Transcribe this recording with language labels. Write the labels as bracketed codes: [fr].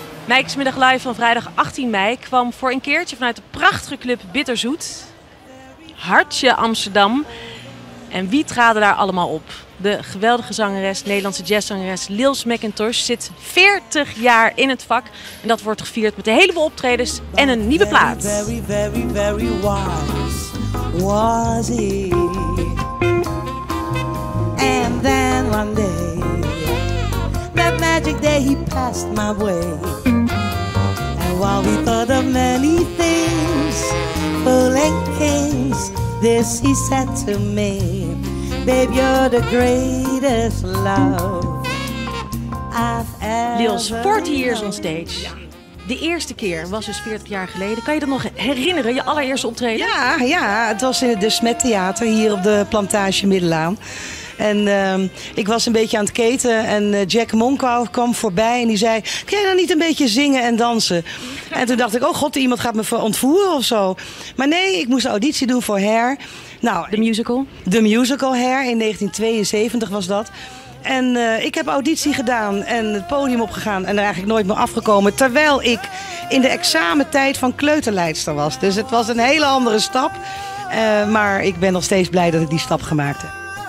[nl] Meikesmiddag Live van vrijdag 18 mei kwam voor een keertje vanuit de prachtige club Bitterzoet. Hartje Amsterdam. En wie traden daar allemaal op? De geweldige zangeres, Nederlandse jazzzangeres Lils McIntosh zit 40 jaar in het vak. En dat wordt gevierd met een heleboel optredens en een nieuwe plaat. [en] Very, very, very wise was he. And then one day, that magic day he passed my way. And while we thought of many things, pulling things, this he said to me. Babe, you're the greatest love I've ever known. Lils, 40 years on stage. [nl] Ja. De eerste keer was dus 40 jaar geleden. Kan je dat nog herinneren, je allereerste optreden? Ja, ja, het was in het De Smet Theater hier op de Plantage Middelaan. En ik was een beetje aan het keten en Jack Monkow kwam voorbij en die zei, kun jij dan niet een beetje zingen en dansen? En toen dacht ik, oh god, iemand gaat me ontvoeren of zo. Maar nee, ik moest auditie doen voor Hair. Nou, de musical? De musical Hair, in 1972 was dat. En ik heb auditie gedaan en het podium opgegaan en er eigenlijk nooit meer afgekomen. Terwijl ik in de examentijd van kleuterleidster was. Dus het was een hele andere stap. Maar ik ben nog steeds blij dat ik die stap gemaakt heb.